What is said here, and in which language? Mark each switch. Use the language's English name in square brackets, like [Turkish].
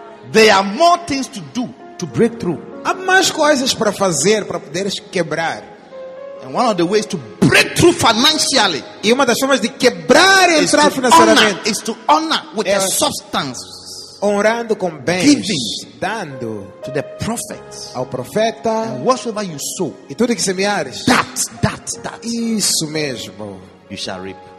[English] There are more things to do to break through. [Portuguese] Há mais coisas para fazer para poderes quebrar. [English] And one of the ways to break through financially. [Portuguese] E uma das formas de quebrar e entrar financeiramente [English] is to honor with a substance. [Portuguese] Honrando com bens. [English] Giving, [Portuguese] dando [English] to the prophets. [Portuguese] Ao profeta. [English] And whatsoever you sow. [Portuguese] E tudo que semeares. [English] That. [Portuguese] Isso mesmo. [English] You shall reap.